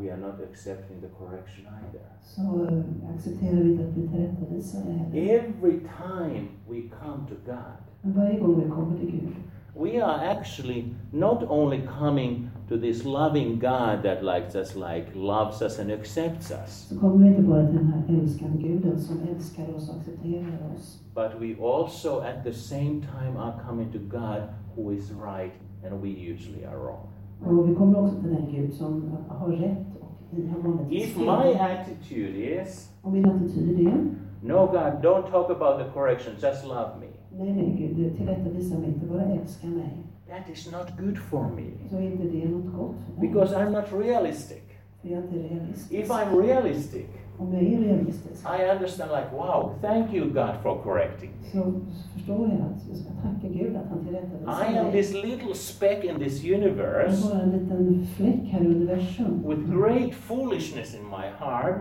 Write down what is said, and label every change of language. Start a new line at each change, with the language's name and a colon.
English: we are not accepting the correction either.
Swedish: Så accepterar vi inte att vi tillrättavisar det heller.
English: Every time we come to God,
Swedish: varje gång vi kommer till Gud,
English: we are actually not only coming to this loving God that likes us, like loves us and accepts us.
Swedish: Så kommer vi inte bara till den här älskande Guden som älskar oss och accepterar oss.
English: But we also at the same time are coming to God who is right and we usually are wrong.
Swedish: Och vi kommer också till den Gud som har rätt och vi har vanligt.
English: If my attitude is,
Swedish: om min attityd är,
English: no God, don't talk about the correction, just love me.
Swedish: Nej, nej Gud, tillrättavisa mig inte, bara älska mig.
English: That is not good for me.
Swedish: Så är inte det något gott för mig.
English: Because I'm not realistic.
Swedish: För jag är inte realistisk.
English: If I'm realistic,
Swedish: om jag är realistisk,
English: I understand like, wow, thank you God for correcting.
Swedish: Så förstår jag att jag ska tacka Gud att han tillrättavisar mig.
English: I am this little speck in this universe.
Swedish: Jag har en liten fläck här i universum.
English: With great foolishness in my heart.